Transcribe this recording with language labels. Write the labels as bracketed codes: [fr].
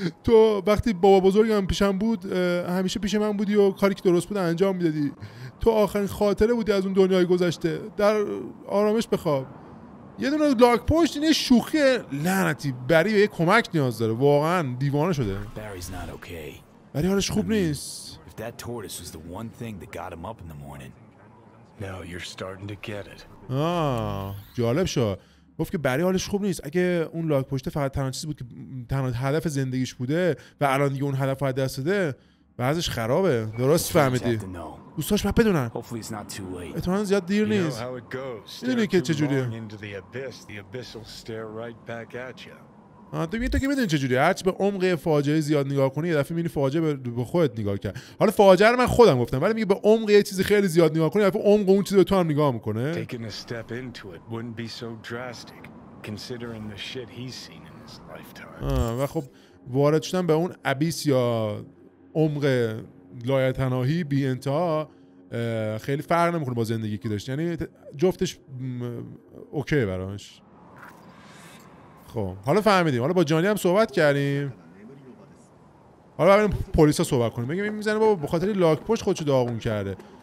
[fa] تو وقتی بابا بزرگم پیشم بود همیشه پیش من بودی و کاری که درست بود انجام میدادی. تو آخرین خاطره بودی از اون دنیای گذشته. در آرامش بخواب. یه دونه لاک پشت این شوخی لعنتی. بری به یه کمک نیاز داره، واقعا دیوانه شده. بری حالش خوب نیست. [en] That tortoise was the one thing that got him up in the morning. Now you're starting to get it. [fa] جالب شد. گفت که برای حالش خوب نیست. اگه اون لاک پشت فقط تنها چیزی بود که تنها هدف زندگیش بوده و الان دیگه اون هدف رو از دست داده، وضعش خرابه. درست فهمیدی. دوستاش باید بدونن. احتمالاً زیاد دیر نیست. میدونی که چجوریه. تو میگه تو که میدونی چجوری، هرچی به عمق فاجعه زیاد نگاه کنی یه دفعه میبینی فاجعه به خودت نگاه کرد. حالا فاجعه رو من خودم گفتم، ولی میگه به عمق یه چیزی خیلی زیاد نگاه کنی یه دفعه عمق اون چیز به تو هم نگاه میکنه. [en] considering the shit he's seen in his lifetime. [fa] و خب وارد شدن به اون ابیس یا عمق لایتناهی بی انتها خیلی فرق نمیکنه با زندگی که داشت، یعنی جفتش اوکی براش. خب حالا فهمیدیم، حالا با جانی هم صحبت کردیم، حالا ببینیم پلیسا صحبت کنیم، بگیم این میزنه بابا به خاطر لاک پشت خودشو داغون کرده.